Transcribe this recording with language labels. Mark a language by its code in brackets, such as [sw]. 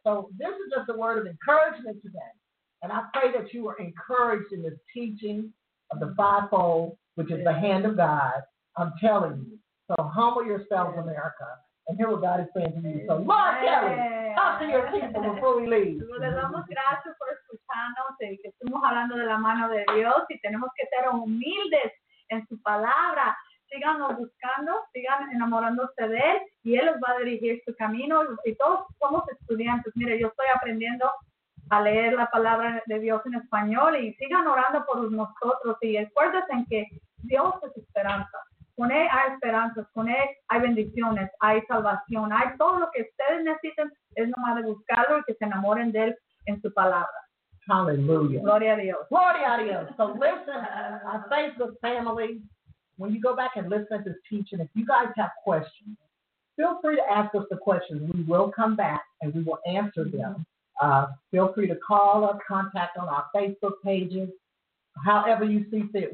[en] So this is just a word of encouragement today. And I pray that you are encouraged in the teaching of the fivefold, which is the hand of God. I'm telling you. So humble yourselves, America, And hear what God is saying to you. So, Lord, Kelly, talk to your people before we leave. [es] Le damos gracias por escucharnos. Estamos hablando de la mano de Dios y tenemos que ser humildes en su palabra. Síganos buscando, sigan enamorándose de él y él los va a dirigir su camino. Y todos somos estudiantes. Mire, yo estoy aprendiendo a leer la palabra de Dios en español y sigan orando por nosotros. Y acuérdense en que Dios es esperanza. Con él hay esperanzas, con él hay bendiciones, hay salvación, hay todo lo que ustedes necesiten, es nomás de buscarlo y que se enamoren de él en su palabra. [en] Hallelujah. [es] Gloria a Dios. Gloria a Dios. [en] So listen, our Facebook family, when you go back and listen to this teaching, if you guys have questions, feel free to ask us the questions. We will come back and we will answer them. Feel free to call us, contact on our Facebook pages, however you see fit.